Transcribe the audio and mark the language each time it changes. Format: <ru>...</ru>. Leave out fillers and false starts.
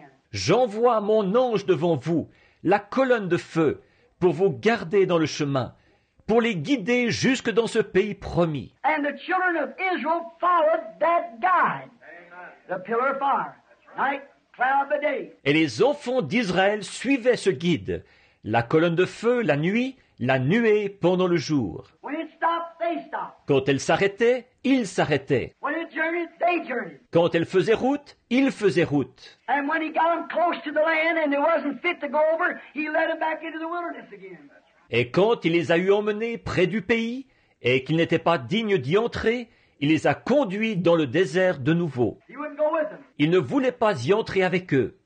<fr>J'envoie mon ange devant vous, la colonne de feu, pour vous garder dans le chemin, pour les guider jusque dans ce pays promis.</fr> <en>And the children of Israel followed that guide, the pillar of fire, night, cloud by day.</en> <fr>Et les enfants d'Israël suivaient ce guide, la colonne de feu la nuit, la nuée pendant le jour.</fr> <en>When it stopped, they stopped.</en> <fr>Quand elle s'arrêtait, il s'arrêtait.</fr> <en>When it journeyed, they journeyed.</en> <fr>Quand elle faisait route, il faisait route.</fr> <en>And when he got them close to the land and it wasn't fit to go over, he led them back into the wilderness again.</en> <fr>Et quand il les a eu emmenés près du pays et qu'ils n'étaient pas dignes d'y entrer, il les a conduits dans le désert de nouveau.</fr> <en>He wouldn't go with them.</en> <fr>Il ne voulait pas y entrer avec eux.</fr>